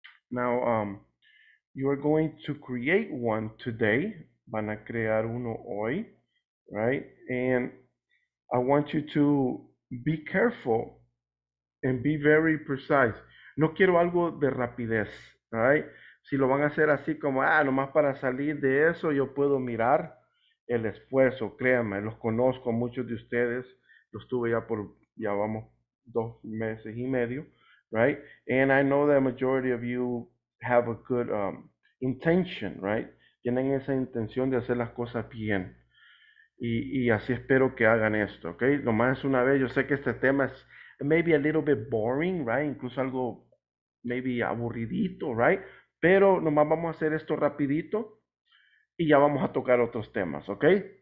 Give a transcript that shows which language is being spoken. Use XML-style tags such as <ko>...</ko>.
<en>Now, you are going to create one today</en> <es>van a crear uno hoy, right?</es> <en>And I want you to be careful and be very precise.</en> <es>No quiero algo de rapidez, right? Si lo van a hacer así como, ah, nomás para salir de eso, yo puedo mirar el esfuerzo, créanme, los conozco, muchos de ustedes, los tuve ya por, ya vamos, 2 meses y medio, right?</es> <en>And I know that majority of you have a good intention, right?</en> <es>Tienen esa intención de hacer las cosas bien. Y así espero que hagan esto, okay? Nomás una vez, yo sé que este tema es</es> <en>maybe a little bit boring,</en> <es>right? Incluso algo maybe aburridito, right? Pero nomás vamos a hacer esto rapidito y ya vamos a tocar otros temas, okay?</es>